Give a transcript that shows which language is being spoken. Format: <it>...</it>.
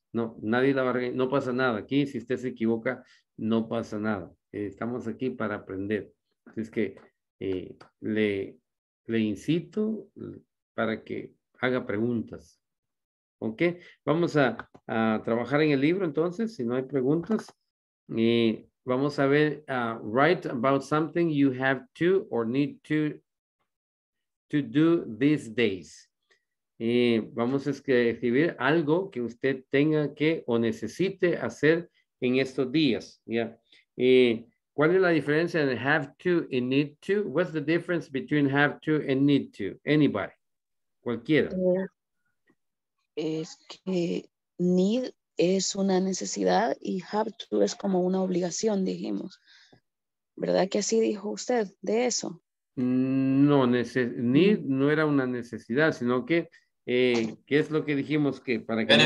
<es>No, nadie la va a... No pasa nada aquí. Si usted se equivoca, no pasa nada. Estamos aquí para aprender. Así es que le incito para que haga preguntas. ¿Ok? Vamos a trabajar en el libro, entonces, si no hay preguntas. Vamos a ver,</es> <en>write about something you have to or need to do these days.</en> <es>Vamos a escribir algo que usted tenga que o necesite hacer en estos días. Yeah. ¿Cuál es la diferencia entre have to y need to?</es> <en>What's the difference between have to and need to? Anybody? Cualquiera.</en> <es>Es que need es una necesidad y have to es como una obligación, dijimos. ¿Verdad que así dijo usted de eso? No, need no era una necesidad, sino que ¿qué es lo que dijimos que para que</es>